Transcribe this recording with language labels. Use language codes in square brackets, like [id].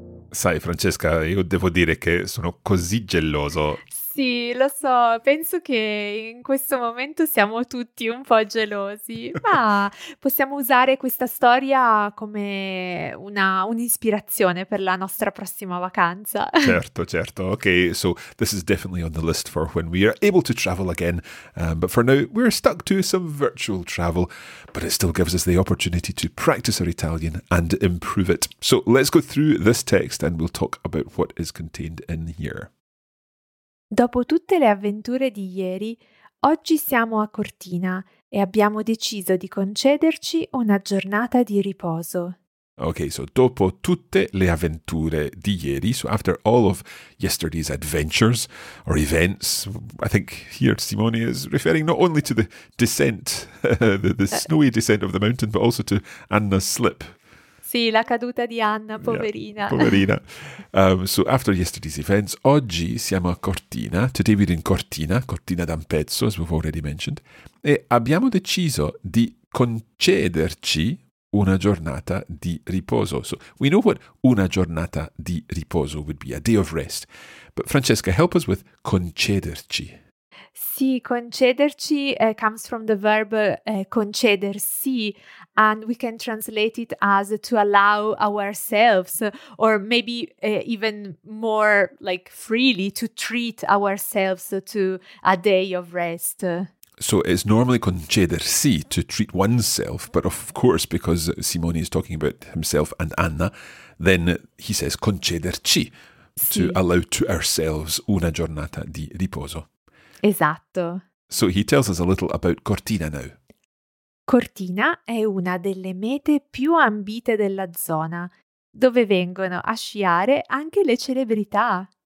[it] Sai, Francesca, io devo dire che sono così geloso. Sì, lo so, penso che in questo momento siamo tutti un po' gelosi, ma possiamo usare questa storia come un'ispirazione per la nostra prossima vacanza. Certo, certo. [en] Ok, so this is definitely on the list for when we are able to travel again, but for now we're stuck to some virtual travel, but it still gives us the opportunity to practice our Italian and improve it. So let's go through this text and we'll talk about what is contained in here. [it] Dopo tutte le avventure di ieri, oggi siamo a Cortina e abbiamo deciso di concederci una giornata di riposo. [en] Ok, so dopo tutte le avventure di ieri, so after all of yesterday's adventures or events, I think here Simone is referring not only to the descent, the snowy descent of the mountain, but also to Anna's slip. [it] Sì, la caduta di Anna, poverina. [en] Yeah, poverina. So after yesterday's events, oggi siamo a Cortina. Today we're in Cortina, Cortina d'Ampezzo, as we've already mentioned. [it] E abbiamo deciso di concederci una giornata di riposo. [en] So we know what una giornata di riposo would be, a day of rest. But Francesca, help us with concederci. Sì, concederci comes from the verb concedersi, and we can translate it as to allow ourselves, or maybe even more like freely, to treat ourselves to a day of rest. So it's normally concedersi, to treat oneself, but of course, because Simone is talking about himself and Anna, then he says concederci, sì, to allow to ourselves una giornata di riposo. [it] Esatto. [en] So he tells us a little about Cortina now. [it] Cortina è una delle mete più ambite della zona, dove vengono a sciare anche le celebrità.